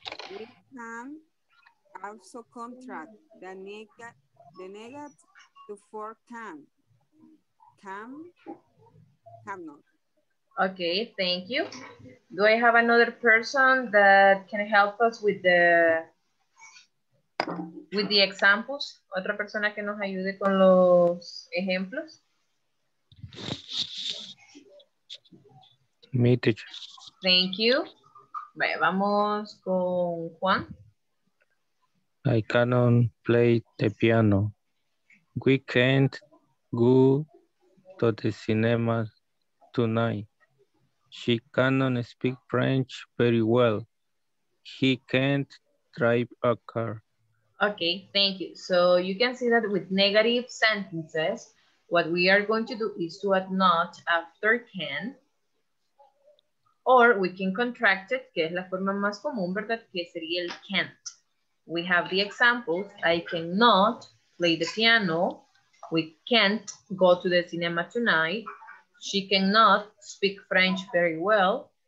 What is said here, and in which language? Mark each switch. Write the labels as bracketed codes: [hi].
[en] We can also contract the negative to for can. Can, cannot. Okay, thank you. Do I have another person that can help us with the examples? [es] Otra persona que nos ayude con los ejemplos? [en] Me, teacher. Thank you. [es] Vaya, vamos con Juan. [en] I cannot play the piano. We can't go to the cinema tonight. She cannot speak French very well. He can't drive a car. Okay, thank you. So you can see that with negative sentences, what we are going to do is to add not after can. Or we can contract it, [es] que es la forma más común, ¿verdad? Que sería el [en] can't. We have the examples. I cannot play the piano. We can't go to the cinema tonight. She cannot speak French very well.